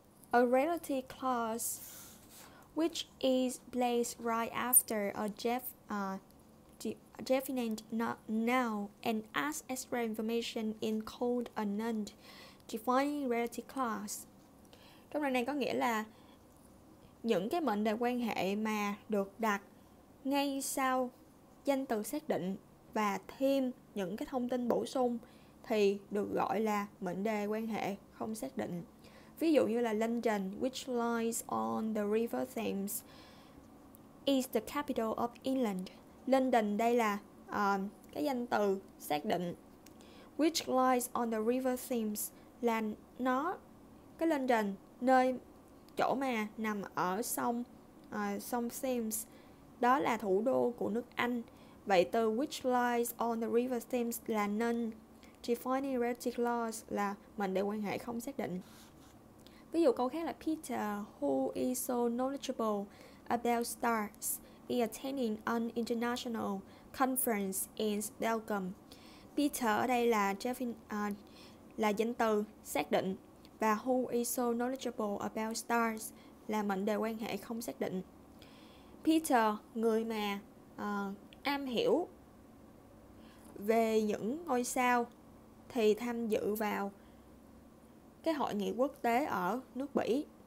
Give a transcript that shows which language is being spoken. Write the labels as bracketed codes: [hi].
[en] A relative clause which is placed right after a definite noun and ask extra information in called a non-defining relative clause. [vi] Trong đoạn này có nghĩa là những cái mệnh đề quan hệ mà được đặt ngay sau danh từ xác định và thêm những cái thông tin bổ sung thì được gọi là mệnh đề quan hệ không xác định. Ví dụ như là [en] London, which lies on the River Thames, is the capital of England. [vi] London đây là cái danh từ xác định. [en] Which lies on the River Thames [vi] là nó, cái London, nơi chỗ mà nằm ở sông sông Thames, đó là thủ đô của nước Anh. Vậy từ [en] which lies on the River Thames [vi] là non-defining relative clause, là mệnh đề quan hệ không xác định. Ví dụ câu khác là [en] Peter, who is so knowledgeable about stars, is attending an international conference in Belgium. [vi] Peter ở đây là là danh từ xác định và [en] who is so knowledgeable about stars [vi] là mệnh đề quan hệ không xác định. Peter, người mà am hiểu về những ngôi sao thì tham dự vào cái hội nghị quốc tế ở nước Bỉ.